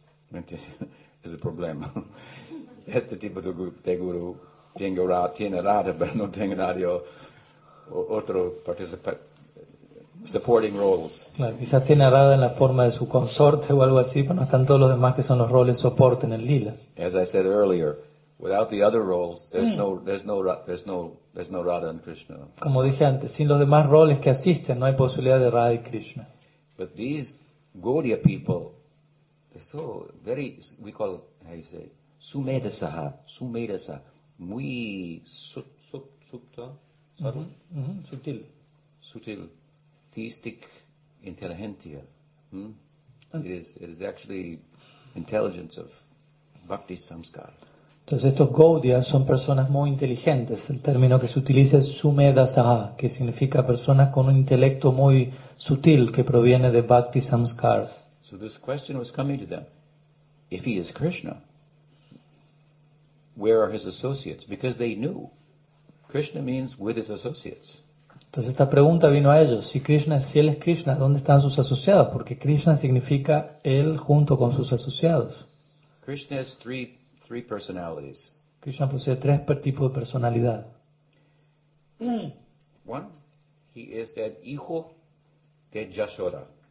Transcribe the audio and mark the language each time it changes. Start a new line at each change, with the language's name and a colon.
Spanish: Es el problema. Este tipo de guru tiene Radha, pero no tiene nadie otro
English: supporting roles.
Spanish: Claro, quizás tiene Radha en la forma de su consorte o algo así, pero no están todos los demás que son los roles soporte en el lila.
English: As I said earlier, without the other roles, there's no Radha and Krishna.
Spanish: Como dije antes, sin los demás roles que asisten, no hay posibilidad de Radha y Krishna.
English: But these Gaudiya people, they're so very, we call, how you say, sumedasa,
Spanish: muy sutil, sutil,
English: theistic intelligentsia. It is actually intelligence of bhakti samskar.
Spanish: Entonces estos Gaudiyas son personas muy inteligentes. El término que se utiliza es sumedasaha, que significa personas con un intelecto muy sutil que proviene de bhakti samskars.
English: So this question was coming to them. If he is Krishna, where are his associates? Because they knew Krishna means with his associates.
Spanish: Entonces esta pregunta vino a ellos. Si él es Krishna, ¿dónde están sus asociados? Porque Krishna significa él junto con sus asociados.
English: Krishna has three personalities.
Spanish: Krishna posee tres tipos de personalidad.
English: One, he is that
Spanish: hijo de
English: Yashoda.